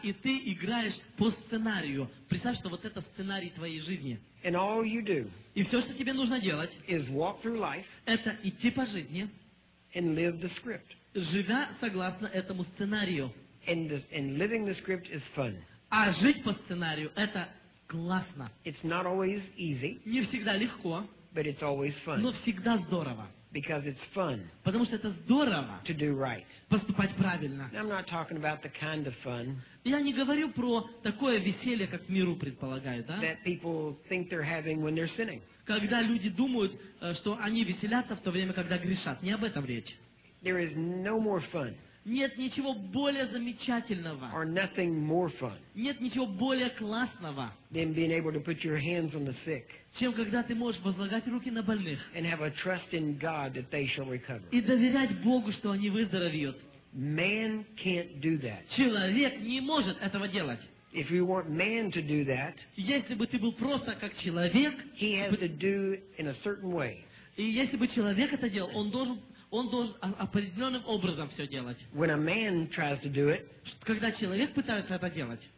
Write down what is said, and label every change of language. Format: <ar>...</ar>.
<ru>И ты играешь по сценарию. Представь, что вот это сценарий твоей жизни.</ru> <en>And all you do,</en> <ru>и все, что тебе нужно делать,</ru> <en>is walk through life,</en> <ru>это идти по жизни,</ru> <en>and live the script.</en> <ru>Живя согласно этому сценарию.</ru> <en>And living the script is fun.</en> <ru>А жить по сценарию это классно.</ru> <en>It's not always easy.</en> <ru>Не всегда легко.</ru> <en>But it's always fun.</en> <ru>Но всегда здорово.</ru> <en>Because it's fun.</en> <ru>Потому что это здорово.</ru> <en>To do right.</en> <ru>Поступать правильно.</ru> <en>I'm not talking about the kind of fun.</en> <ru>Я не говорю про такое веселье, как миру предполагают, да?</ru> <en>That people think they're having when they're sinning.</en> <ru>когда люди думают, что они веселятся в то время, когда грешат. Не об этом речь.</ru> <en>There is no more fun.</en> <ru>Нет ничего более замечательного.</ru> <en>Or nothing more fun.</en> <ru>Нет ничего более классного.</ru> <en>Than being able to put your hands on the sick.</en> <ru>Чем когда ты можешь возлагать руки на больных.</ru> <en>And have a trust in God that they shall recover.</en> <ru>И доверять Богу, что они выздоровеют.</ru> <en>Man can't do that.</en> <ru>Человек не может этого делать.</ru> <en>If you want man to do that,</en> <ru>если бы ты был просто как человек,</ru> <en>he has to do in a certain way.</en> <ru>И если бы человек это делал, он должен определенным образом все делать.</ru> <en>When a man tries to do it,</en> <ru>когда человек пытается это делать,</ru>